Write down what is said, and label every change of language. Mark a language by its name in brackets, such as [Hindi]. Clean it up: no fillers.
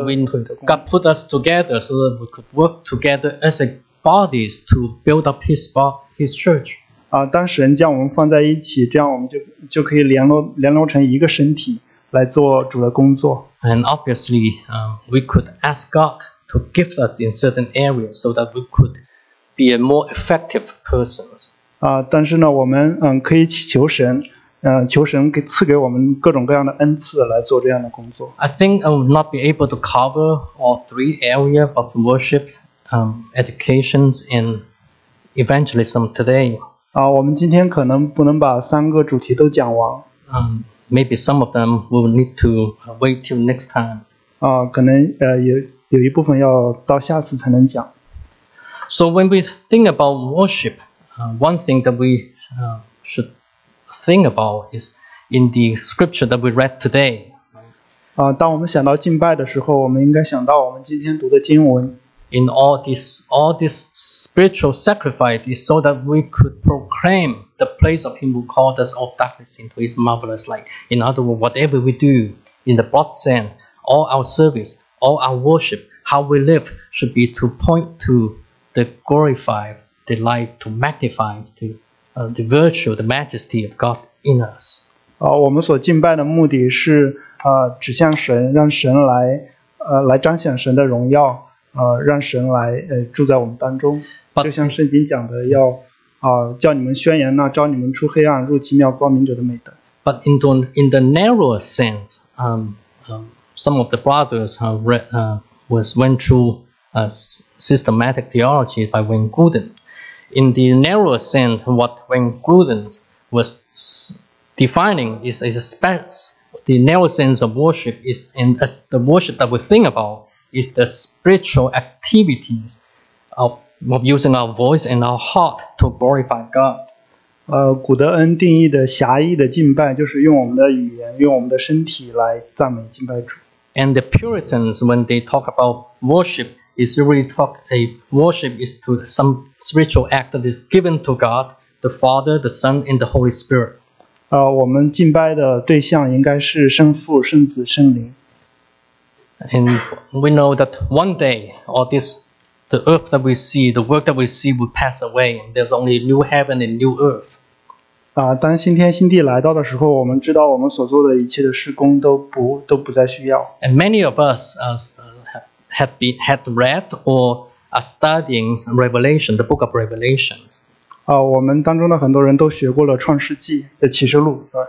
[English] God put us together so that we could work together as a bodies to build up His church. [Chinese] 当神将我们放在一起，这样我们就可以联络成一个身体来做主的工作。 [English] And obviously, we could ask God to gift us in certain areas so that we could be a more effective persons. [Chinese] 但是呢，我们可以祈求神，求神赐给我们各种各样的恩赐来做这样的工作。 [English] I think I will not be able to cover all three areas of worship, education and evangelism today. [Chinese] 我们今天可能不能把三个主题都讲完。 [English] Maybe some of them will need to wait till next time. [Chinese] 可能有一部分要到下次才能讲。 [English] So when we think about worship, one thing that we should think about is in the scripture that we read today. [Chinese] 当我们想到敬拜的时候，我们应该想到我们今天读的经文。 [English] In all this spiritual sacrifice is so that we could proclaim the praise of Him who called us out of darkness into His marvelous light. In other words, whatever we do, in the broad sense, all our service, all our worship, how we live, should be to point to the glorify, the light, to magnify the virtue, the majesty of God in us. [Chinese] 我们所敬拜的目的是指向神，让神来彰显神的荣耀。让神来住在我们当中，就像圣经讲的，要叫你们宣言那招你们出黑暗入奇妙光明者的美德。 [English] But in the narrower sense, some of the brothers have read went through systematic theology by Wayne Grudem. In the narrower sense, what Wayne Grudem was defining is a space. The narrow sense of worship is in as the worship that we think about. Is the spiritual activities of using our voice and our heart to glorify God. [Chinese] 古德恩定义的狭义的敬拜就是用我们的语言，用我们的身体来赞美敬拜主。 [English] And the Puritans, when they talk about worship, is really talk a worship is to some spiritual act that is given to God, the Father, the Son, and the Holy Spirit. [Chinese] 我们敬拜的对象应该是圣父、圣子、圣灵。 [English] And we know that one day, all this, the earth that we see, the work that we see will pass away, and there's only new heaven and new earth. [Chinese] 当新天新地来到的时候，我们知道我们所做的一切的事工都不再需要。 [English] And many of us had read or are studying Revelation, the book of Revelation. [Chinese] 我们当中的很多人都学过了创世纪的启示录。